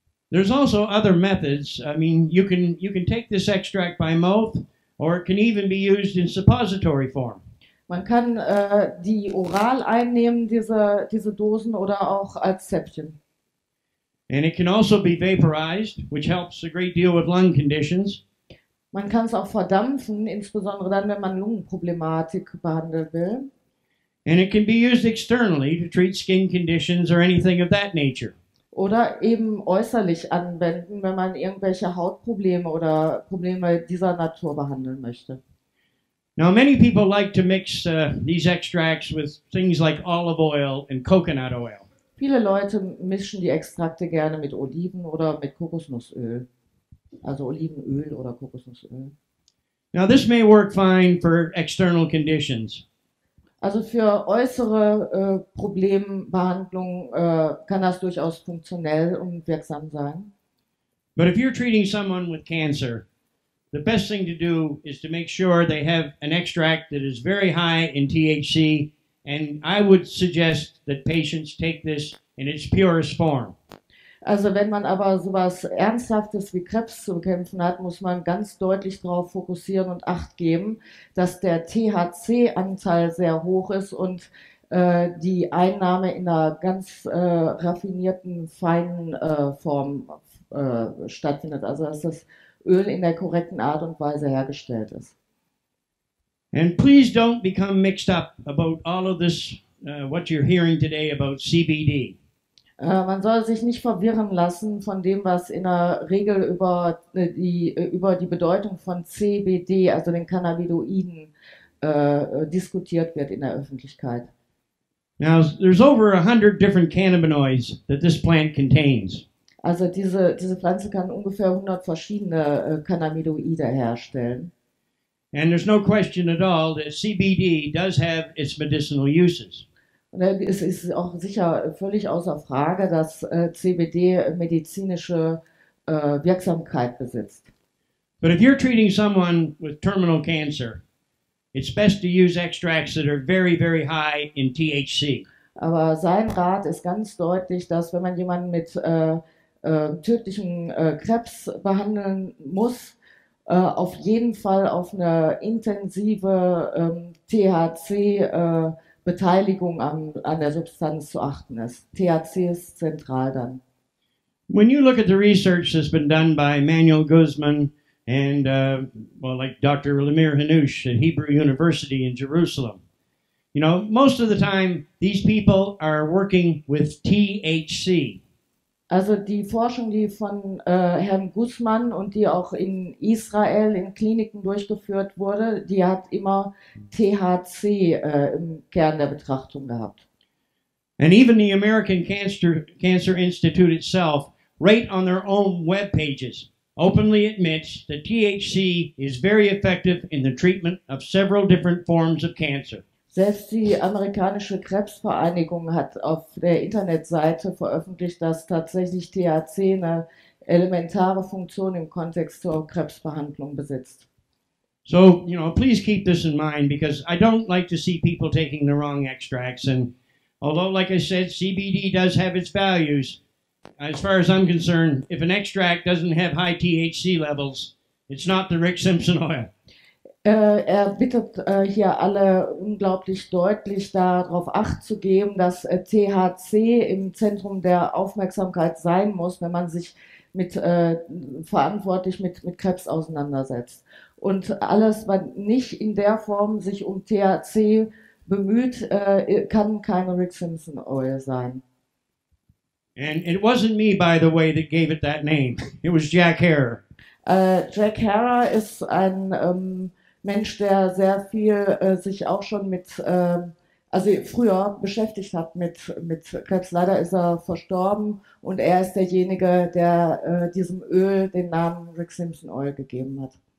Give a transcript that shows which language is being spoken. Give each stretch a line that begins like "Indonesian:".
English: There's also other methods. I mean, you can take this extract by mouth or it can even be used in suppository form.
German: Man kann die oral einnehmen, diese Dosen oder auch als Zäpfchen.
English: And it can also be vaporized, which helps a great deal with lung conditions.
German: Man kann es auch verdampfen, insbesondere dann, wenn man Lungenproblematik behandeln will.
English: And it can be used externally to treat skin conditions or anything of that nature.
German: Oder eben äußerlich anwenden, wenn man irgendwelche Hautprobleme oder Probleme dieser Natur behandeln möchte.
English: Now many people like to mix these extracts with things like olive oil and coconut oil.
German: Viele Leute mischen die Extrakte gerne mit Oliven oder mit Kokosnussöl. Also Olivenöl oder Kokosnussöl.
English: Now this may work fine for external conditions.
German: Also für äußere Problembehandlung kann das durchaus funktionell und wirksam sein.
English: But if you're treating someone with cancer, the best thing to do is to make sure they have an extract that is very high in THC, and I would suggest that patients take this in its purest form.
German: Also wenn man aber sowas Ernsthaftes wie Krebs zu bekämpfen hat, muss man ganz deutlich darauf fokussieren und Acht geben, dass der THC-Anteil sehr hoch ist und die Einnahme in einer ganz raffinierten, feinen Form stattfindet. Also dass das Öl in der korrekten Art und Weise hergestellt ist.
English: And please don't become mixed up about all of this, what you're hearing today about CBD.
German: Man soll sich nicht verwirren lassen von dem, was in der Regel über die Bedeutung von CBD, also den Cannabinoiden, diskutiert wird in der Öffentlichkeit.
English: Now, there's over 100 different cannabinoids that this plant contains.
German: Also diese Pflanze kann ungefähr 100 verschiedene Cannabinoide herstellen.
English: And there's no question at all that CBD does have its medicinal uses.
German: Und es ist auch sicher völlig außer Frage, dass CBD medizinische Wirksamkeit besitzt.
English: But if you're treating someone with terminal cancer, it's best to use extracts that are very, very high in THC.
German: Aber sein Rat ist ganz deutlich, dass wenn man jemanden mit tödlichen Krebs behandeln muss, auf jeden Fall auf eine intensive THC Beteiligung an der Substanz zu achten ist. THC ist zentral dann.
English: When you look at the research that's been done by Manuel Guzman and Dr. Lemir Hanush at Hebrew University in Jerusalem, you know, most of the time these people are working with THC.
German: Also die Forschung, die von Herrn Guzman und die auch in Israel in Kliniken durchgeführt wurde, die hat immer THC im Kern der Betrachtung gehabt.
English: And even the American Cancer Institute itself, right on their own web pages, openly admits that THC is very effective in the treatment of several different forms of cancer.
German: Selbst die amerikanische Krebsvereinigung hat auf der Internetseite veröffentlicht, dass tatsächlich THC eine elementare Funktion im Kontext zur Krebsbehandlung besitzt.
English: So, you know, please keep this in mind, because I don't like to see people taking the wrong extracts, and Although, like I said, CBD does have its values. As far as I'm concerned, if an extract doesn't have high THC levels, it's not the Rick Simpson oil.
German: Er bittet hier alle unglaublich deutlich darauf Acht zu geben, dass THC im Zentrum der Aufmerksamkeit sein muss, wenn man sich mit verantwortlich mit Krebs auseinandersetzt. Und alles, was nicht in der Form sich um THC bemüht, kann kein Rick Simpson Oil sein.
English: And it wasn't me, by the way, that gave it that name. It was Jack Herer.
German: Jack Herer ist ein Mensch, der sehr viel sich auch schon mit, also früher beschäftigt hat mit Krebs. Leider ist er verstorben und er ist derjenige, der diesem Öl den Namen Rick Simpson Oil gegeben hat.